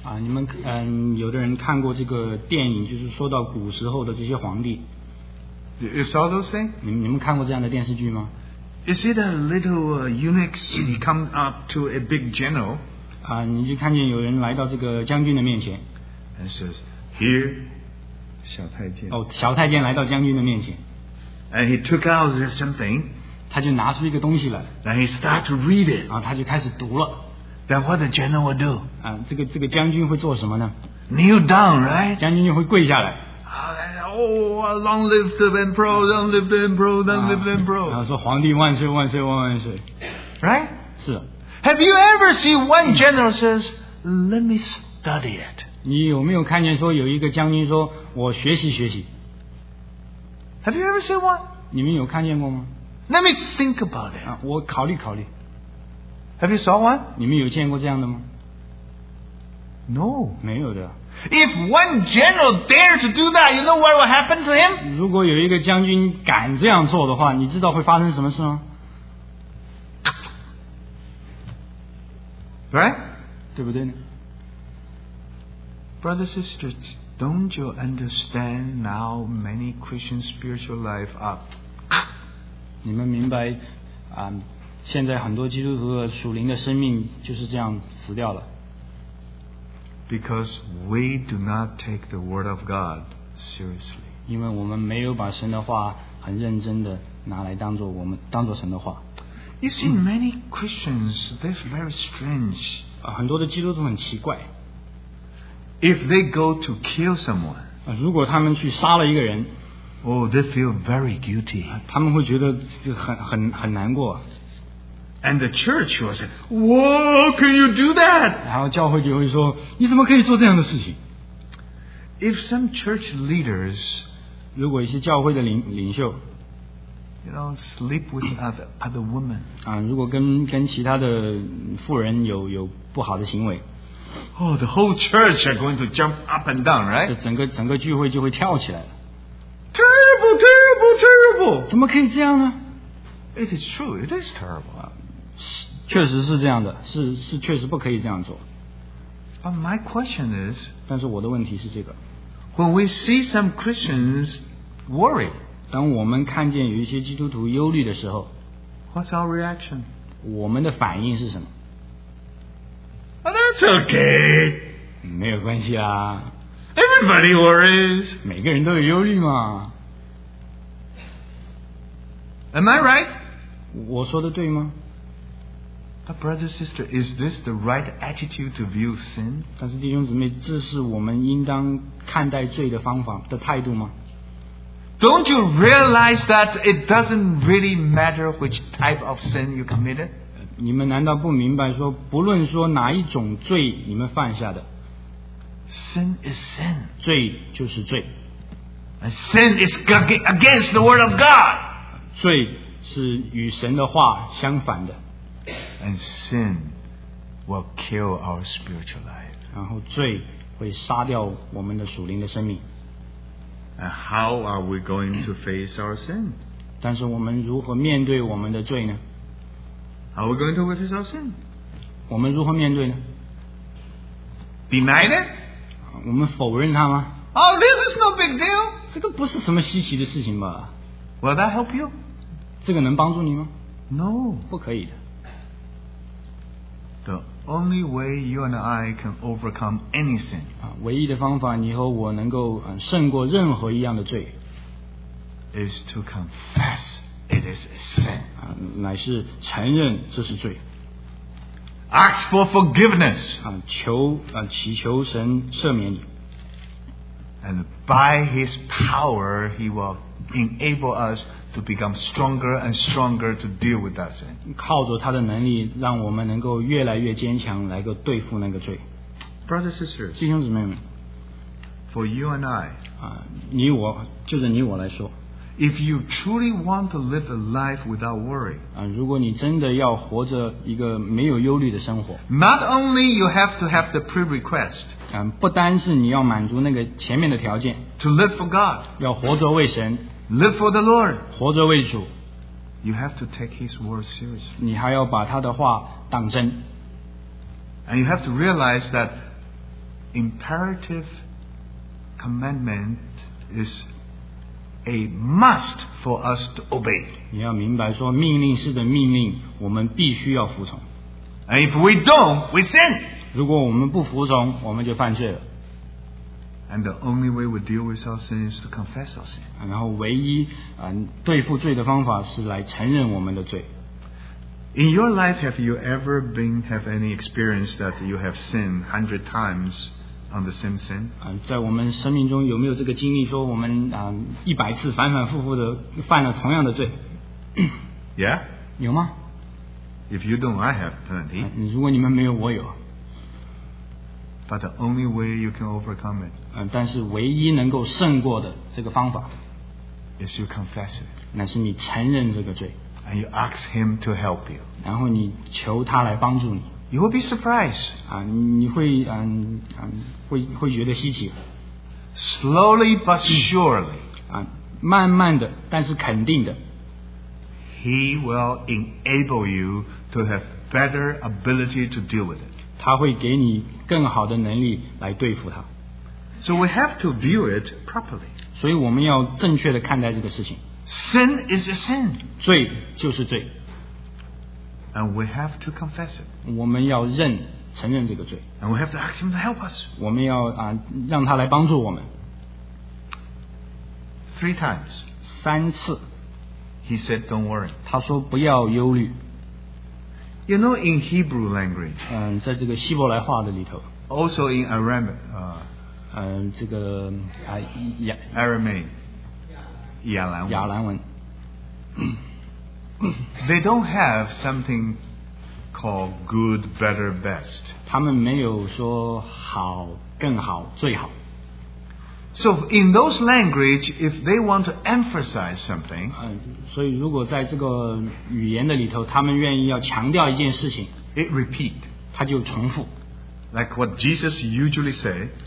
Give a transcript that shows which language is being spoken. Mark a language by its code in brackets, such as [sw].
[zh] 你们有的人看过这个电影，就是说到古时候的这些皇帝。 [en] You saw those things? [zh] 你们看过这样的电视剧吗？ [en] Is it a little eunuchs he comes up to a big general? [zh] 你就看见有人来到这个将军的面前。 [en] And says, here, 小太监。 [zh] 小太监来到将军的面前。 [en] And he took out something. [zh] 他就拿出一个东西来。 [en] Then he start to read it. [zh] 他就开始读了。 [en] Then what the general will do? [zh] 这个将军会做什么呢？ [en] Kneel down, right? [zh] 将军就会跪下来。 [en] Long live the emperor, long live the emperor, long live the emperor. [zh] 然后说皇帝万岁万岁万万岁。 [en] Right? [zh] 是。 [en] Have you ever seen one general says, let me study it? [zh] 你有没有看见说有一个将军说我学习学习？ [en] Have you ever seen one? [zh] 你们有看见过吗？ [en] Let me think about it. [zh] 我考虑考虑。 [en] Have you saw one? [zh] 你们有见过这样的吗？ [en] No. [zh] 没有的。 [en] If one general dares to do that, you know what will happen to him? [zh] 如果有一个将军敢这样做的话，你知道会发生什么事吗？ [en] Right? [zh] 对不对呢？ [en] Brothers and sisters, don't you understand now many Christian spiritual life are... [zh] 你们明白现在很多基督徒的属灵的生命就是这样死掉了。 [en] Because we do not take the word of God seriously. [zh] 因为我们没有把神的话很认真的拿来当做我们当做神的话。 [en] You see, many Christians, they're very strange. [zh] 很多的基督徒很奇怪。 [en] If they go to kill someone, [zh] 如果他们去杀了一个人， [en] Oh, they feel very guilty. [zh] 他们会觉得很难过。 [en] And the church will say, "Whoa, can you do that?" [zh] 然后教会就会说，你怎么可以做这样的事情？ [en] If some church leaders, [zh] 如果一些教会的领袖， [en] you know, sleep with other women. [zh] 如果跟其他的妇人有不好的行为， [en] Oh, the whole church are going to jump up and down, right? [zh] 整个聚会就会跳起来了。 [en] Terrible, terrible, terrible! [zh] 怎么可以这样呢？ [en] It is true, it is terrible. [zh] 确实是这样的，是确实不可以这样做。 [en] But my question is, [zh] 但是我的问题是这个。 [en] When we see some Christians worry, [zh] 当我们看见有一些基督徒忧虑的时候， [en] What's our reaction? [zh] 我们的反应是什么？ [en] Oh, that's okay. [zh] 没有关系啊。 [en] Everybody worries. [zh] 每个人都有忧虑嘛。 [en] Am I right? [zh] 我说的对吗？ [en] But brother, sister, is this the right attitude to view sin? [zh] 但是弟兄姊妹，这是我们应当看待罪的方法的态度吗？ [en] Don't you realize that it doesn't really matter which type of sin you committed? [zh] 你们难道不明白说，不论说哪一种罪你们犯下的？ [en] Sin is sin. [zh] 罪就是罪。 [en] And sin is against the word of God. [zh] 罪是与神的话相反的。 [en] And sin will kill our spiritual life. [zh] 然后罪会杀掉我们的属灵的生命。 [en] And how are we going to face our sin? [zh] 但是我们如何面对我们的罪呢？ [en] Are we going to face our sin? [zh] 我们如何面对呢？ [en] Deny it? [zh] 我们否认他吗？ [en] Oh, this is no big deal. [zh] 这个不是什么稀奇的事情吧？ [en] Will that help you? [zh] 这个能帮助你吗？ [en] No. [zh] 不可以的。 [en] The only way you and I can overcome anything. [zh] 唯一的方法你和我能够胜过任何一样的罪。 [en] is to confess it is a sin. [zh] 乃是承认这是罪。 [en] Ask for forgiveness. [zh] 祈求神赦免你。 [en] And by his power, he will enable us to become stronger and stronger to deal with that sin. [zh] 靠着他的能力，让我们能够越来越坚强，来个对付那个罪。 [en] Brothers and sisters, [zh] 弟兄姊妹们。 [en] For you and I, [zh] 你我就是你我来说。 [en] If you truly want to live a life without worry, [zh] 如果你真的要活着一个没有忧虑的生活。 [en] Not only you have to have the pre-request, [zh] 不单是你要满足那个前面的条件。 [en] To live for God, [zh] 要活着为神。 [en] Live for the Lord, [zh] 活着为主。 [en] You have to take His word seriously. [zh] 你还要把他的话当真。 [en] And you have to realize that imperative commandment is a must for us to obey. [zh] 你要明白说命令是的命令，我们必须要服从。 [en] And if we don't, we sin. [zh] 如果我们不服从，我们就犯罪了。 [en] And the only way we deal with our sin is to confess our sin. [zh] 然后唯一对付罪的方法是来承认我们的罪。 [en] In your life, have you ever been have any experience that you have sinned 100 times? On the same sin. [zh] 在我们生命中有没有这个经历？说我们一百次反反复复的犯了同样的罪 [en] ？Yeah. [zh] 有吗 [en] ？If you don't, I have plenty. [zh] 如果你们没有，我有。 [en] But the only way you can overcome it. [zh] 但是唯一能够胜过的这个方法 [en] ，is you confess it. [zh] 乃是你承认这个罪。 [en] And you ask him to help you. [zh] 然后你求他来帮助你。 [en] You will be surprised. [zh] 你会觉得稀奇。 [en] Slowly but surely. [zh] 慢慢的，但是肯定的。 [en] He will enable you to have better ability to deal with it. [zh] 他会给你更好的能力来对付他。 [en] So we have to view it properly. [zh] 所以我们要正确的看待这个事情。 [en] Sin is a sin. [zh] 罪就是罪。 [en] And we have to confess it. [zh] 我们要认承认这个罪。 [en] And we have to ask him to help us. [zh] 我们要让他来帮助我们。 [en] Three times. [zh] 三次。 [en] He said, "Don't worry." [zh] 他说不要忧虑。 [en] You know, in Hebrew language. [zh] 在这个希伯来话的里头。 [en] Also in Aramaic. [zh] 这个 [en] Aramaic. 亚兰文。 [zh] 亚兰文。 [en] They don't have something called good, better, best. [zh] 他们没有说好、更好、最好。 [en] So in those language, if they want to emphasize something, [zh] 所以如果在这个语言的里头，他们愿意要强调一件事情 [en] ，it repeat， [zh] 他就重复。 [en] Like what Jesus usually say,